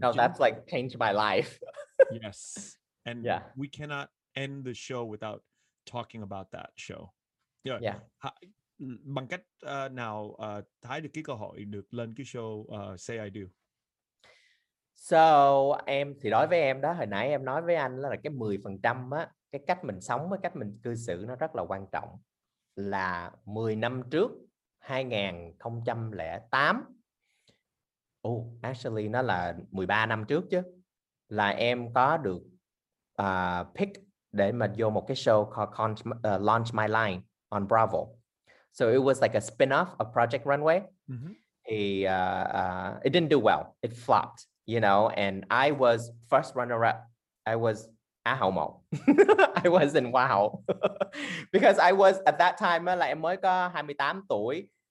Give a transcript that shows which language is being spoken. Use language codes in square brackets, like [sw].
[en] No, that's like changed my life. Yes. And yeah, we cannot end the show without talking about that show. Yeah. Yeah. [vi] Bằng cách nào Thái được cái cơ hội được lên cái show Say I Do? So, em thì đối với em đó, hồi nãy em nói với anh là cái 10% á, cái cách mình sống với cách mình cư xử nó rất là quan trọng. Là 10 năm trước, 2008, actually nó là 13 năm trước chứ, là em có được pick để mà vô một cái show called Launch My Line on Bravo. [en] So it was like a spin-off of Project Runway. Mm-hmm. It didn't do well. It flopped, you know, and I was first runner-up. I was [vi] Á Hậu Mậu. [en] I was in Hoa Hậu. Because I was, at that time, [vi] là em mới có 28 tuổi.